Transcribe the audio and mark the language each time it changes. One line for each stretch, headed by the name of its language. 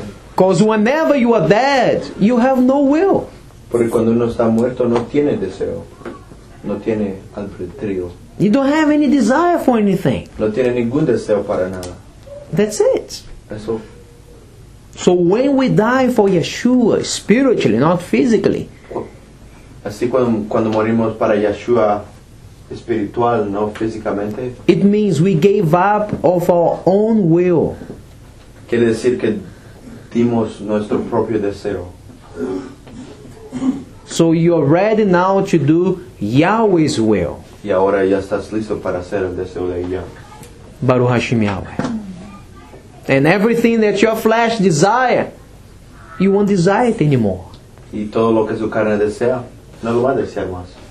English: Because whenever you are dead, you have no will.
Spanish: Porque cuando uno está muerto, no tiene deseo. No tiene albedrío.
English: You don't have any desire for anything.
Spanish: No tiene ningún deseo para nada.
English: That's it.
Spanish: Eso.
English: So when we die for Yeshua, spiritually, not physically.
Spanish: Así cuando morimos para Yeshua, espiritual, no físicamente.
English: It means we gave up of our own will.
Spanish: Quiere decir que dimos nuestro propio deseo.
English: So you're ready now to do Yahweh's will.
Spanish: Y ahora ya estás listo para hacer el deseo de Yah.
Hebrew: Baruch Hashem Yahweh.
English: And everything that your flesh desire, you won't desire it anymore.
Spanish: Y todo lo que su carne desea, no lo va a desear más.